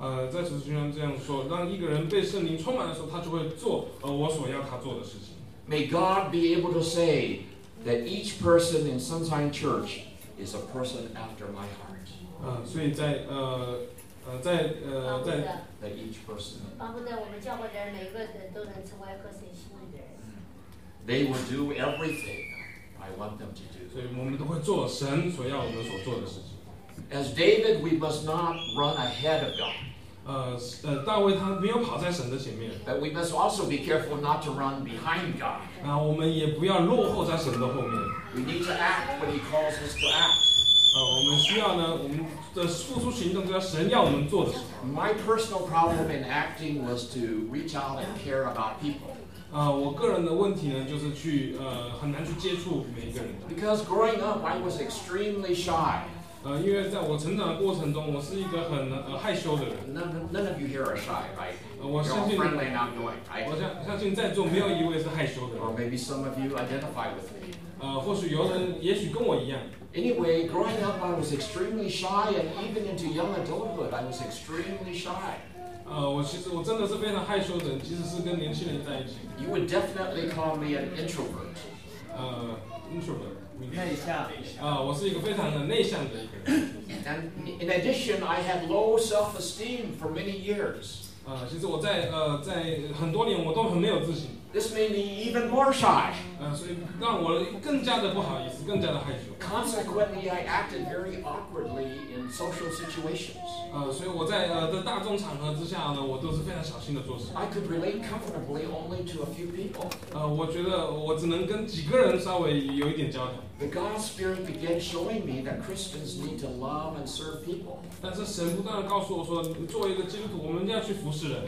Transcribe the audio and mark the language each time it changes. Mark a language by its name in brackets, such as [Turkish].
[Chinese] 在使徒行传这样说，当一个人被圣灵充满的时候，他就会做我所要他做的事情。 [English] May God be able to say that each person in Sunshine Church is a person after my heart. [Chinese] 所以在在在 [English] 在 each person， [Chinese] 帮助在我们教会的人，每个人都能成为合神心意的人。 [English] They will do everything I want them to do。 [Chinese] 所以我们都会做神所要我们所做的事情。 [English] As David, we must not run ahead of God。 [Chinese] 大卫他没有跑在神的前面。 [English] But we must also be careful not to run behind God。 [Chinese] 那我们也不要落后在神的后面。 [English] We need to act when He calls us to act。 [Chinese] 我们需要呢，我们的付出行动就要神要我们做的时候。 [English] My personal problem in acting was to reach out and care about people. [Chinese] 我个人的问题呢，就是去很难去接触每一个人。 [English] Because growing up, I was extremely shy. [Chinese] 因为在我成长的过程中，我是一个很害羞的人。 [English] None of you here are shy, right? [Chinese] 我相信 [English] You're all friendly and outgoing, right? [Chinese] 我相信在座没有一位是害羞的人。 [English] Or maybe some of you identify with me. [Chinese] 或许有人也许跟我一样。 [English] Anyway, growing up, I was extremely shy, and even into young adulthood, I was extremely shy. [Chinese] 我真的是非常害羞的，即使是跟年轻人在一起。 [English] You would definitely call me an introvert. Introvert. [Chinese] 内向。我是一个非常的内向的一个人。 [English] And in addition, I had low self-esteem for many years. [Chinese] 其实我在在很多年我都很没有自信。 [English] This made me even more shy. [Chinese] 所以让我更加的不好意思，更加的害羞。 [English] Consequently, I acted very awkwardly in social situations. [Chinese] 所以我在在大众场合之下呢，我都是非常小心的做事。 [English] I could relate comfortably only to a few people. [Chinese] 我觉得我只能跟几个人稍微有一点交流。 [English] The God's Spirit began showing me that Christians need to love and serve people. [Chinese] 但是神不断的告诉我说，作为一个基督徒，我们要去服侍人。